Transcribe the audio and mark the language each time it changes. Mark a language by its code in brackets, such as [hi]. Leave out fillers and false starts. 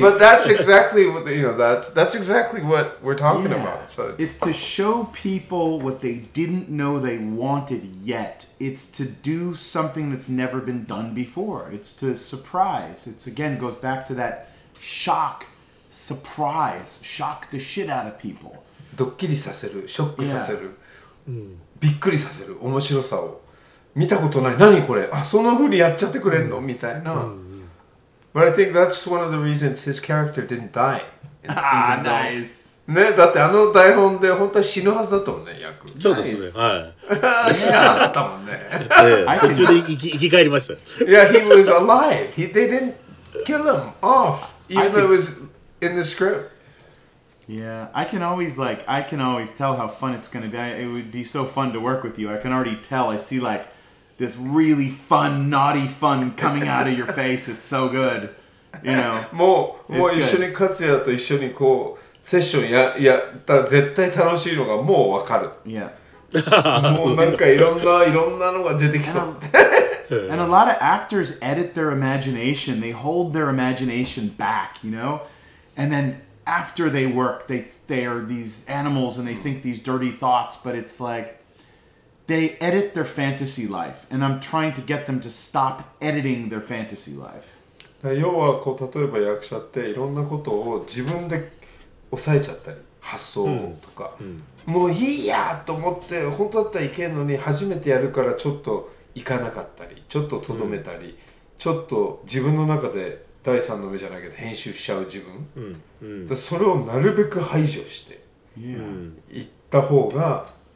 [en] But that's exactly what, you know, that's exactly what we're talking about. So it's to show people what they didn't know they wanted yet. It's to do something that's never been done before. It's to surprise. It's again, goes back to that shock, surprise, shock the shit out of people. [ja] ドッキリさせる、ショックさせる、びっくりさせる、面白さを見たことない、何これ、あ、そんな風にやっちゃってくれんの、みたいな。 [en] But I think that's one of the reasons his character didn't die. Ah, nice. [ja] ね、だってあの台本で本当は死ぬはずだったもんね、役。そうですね、はい。死なかったもんね。途中で生き返りました。 [en] Yeah, he was alive. They didn't kill him off. Even though it was in the script. Yeah, I can always tell how fun it's going to be. It would be so fun to work with you. I can already tell. I see like this really fun, naughty fun coming out of your face. It's so good. You know, [ja] もう一緒に勝也と一緒にこうセッションやったら絶対楽しいのがもうわかる。 [en] Yeah. [ja] もうなんかいろんなのが出てきそう。 [en] And a lot of actors edit their imagination. They hold their imagination back, you know? And then after they work, they are these animals and they think these dirty thoughts, but it's like they edit their fantasy life. And I'm trying to get them to stop editing their fantasy life. [ja] 要はこう例えば役者っていろんなことを自分で抑えちゃったり、発想とか。もういいやと思って本当だったらいけるのに初めてやるからちょっと行かなかったり、ちょっととどめたり、ちょっと自分の中で第三の目じゃないけど編集しちゃう自分、だそれをなるべく排除して行った方が